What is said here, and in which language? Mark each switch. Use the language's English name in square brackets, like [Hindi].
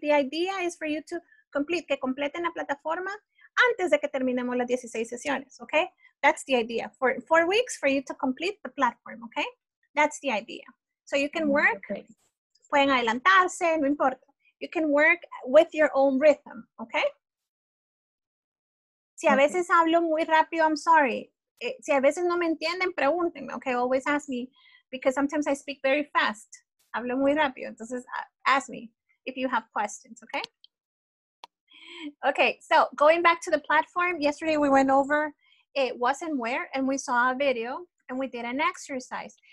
[English] The idea is for you to complete, [Spanish] que completen la plataforma antes de que terminemos las 16 sesiones, [English] okay? That's the idea. For 4 weeks for you to complete the platform, okay? That's the idea. So you can work, okay. [Spanish] Pueden adelantarse, no importa. [English] You can work with your own rhythm, okay? [Spanish] Si a veces hablo muy rápido, [English] I'm sorry. [Spanish] Si a veces no me entienden, pregúntenme, okay? [English] Always ask me, because sometimes I speak very fast. [Spanish] Hablo muy rápido. Entonces, [English] ask me if you have questions, okay? Okay, so going back to the platform, yesterday we went over it wasn't where, and we saw a video, and we did an exercise.